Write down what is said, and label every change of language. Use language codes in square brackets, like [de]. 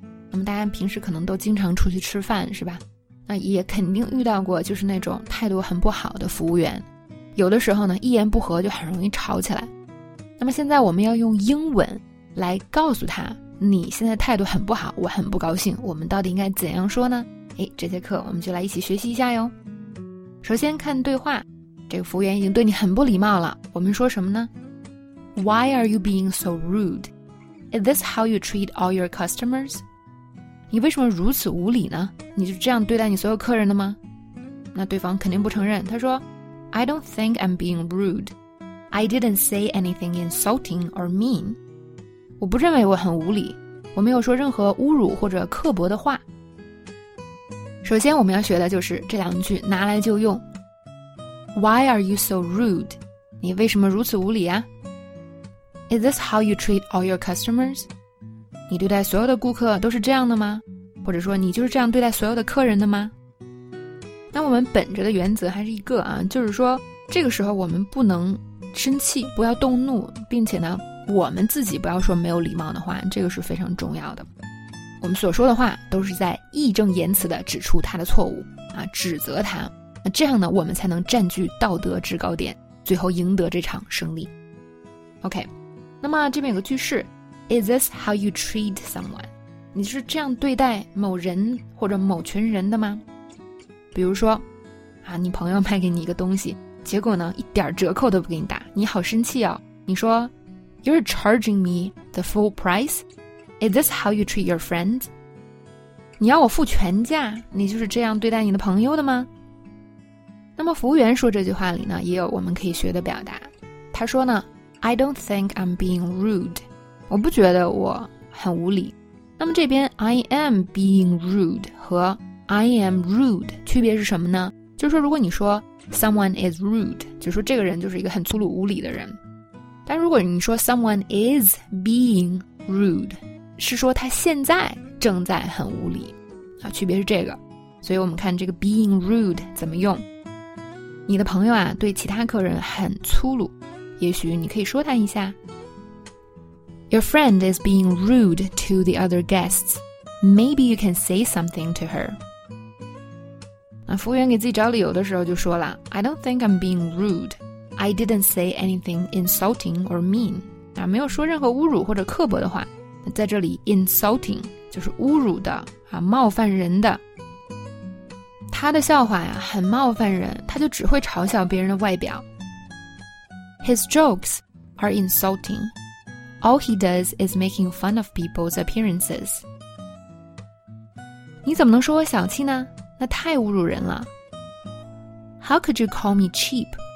[zh] 那么大家平时可能都经常出去吃饭，是吧？那也肯定遇到过，就是那种态度很不好的服务员，有的时候呢，一言不合就很容易吵起来。那么现在我们要用英文来告诉他，你现在态度很不好，我很不高兴，我们到底应该怎样说呢？哎，这节课我们就来一起学习一下哟。首先看对话，这个服务员已经对你很不礼貌了，我们说什么呢？ [en] Why are you being so rude? Is this how you treat all your customers? [zh] 你为什么如此无礼呢？你就这样对待你所有客人的吗？那对方肯定不承认，他说 [en] I don't think I'm being rude. I didn't say anything insulting or mean. [zh] 我不认为我很无礼，我没有说任何侮辱或者刻薄的话。首先我们要学的就是这两句拿来就用。 [en] Why are you so rude? [zh] 你为什么如此无礼啊？ [en] Is this how you treat all your customers? [zh] 你对待所有的顾客都是这样的吗？或者说你就是这样对待所有的客人的吗？那我们本着的原则还是一个啊，就是说这个时候我们不能生气，不要动怒，并且呢我们自己不要说没有礼貌的话，这个是非常重要的。我们所说的话都是在义正言辞地指出他的错误啊，指责他，那这样呢我们才能占据道德制高点，最后赢得这场胜利。 [en] OK， [zh] 那么这边有个句式， [en] Is this how you treat someone? [zh] 你是这样对待某人或者某群人的吗？比如说啊，你朋友卖给你一个东西，结果呢一点折扣都不给你打，你好生气哦，你说 [en] You're charging me the full priceIs this how you treat your friends? [zh] 你要我付全价，你就是这样对待你的朋友的吗？那么服务员说这句话里呢，也有我们可以学的表达。他说呢 [en] I don't think I'm being rude. [zh] 我不觉得我很无理。那么这边 [en] I am being rude [zh] 和 [en] I am rude [zh] 区别是什么呢？就是说如果你说 [en] someone is rude， [zh] 就是说这个人就是一个很粗鲁无礼的人。但如果你说 [en] someone is being rude， [zh] 是说他现在正在很无理啊，区别是这个。所以我们看这个 being rude 怎么用。你的朋友啊对其他客人很粗鲁，也许你可以说他一下。 [en] Your friend is being rude to the other guests. Maybe you can say something to her. [zh] 那服务员给自己找理由的时候就说了， [en] I don't think I'm being rude. I didn't say anything insulting or mean. [zh] 啊，没有说任何侮辱或者刻薄的话。在这里 insulting 就是侮辱的啊，冒犯人的。他的笑话呀很冒犯人，他就只会嘲笑别人的外表。 [en] His jokes are insulting. All he does is making fun of people's appearances. [zh] 你怎么能说我小气呢？那太侮辱人了。 [en] How could you call me cheap?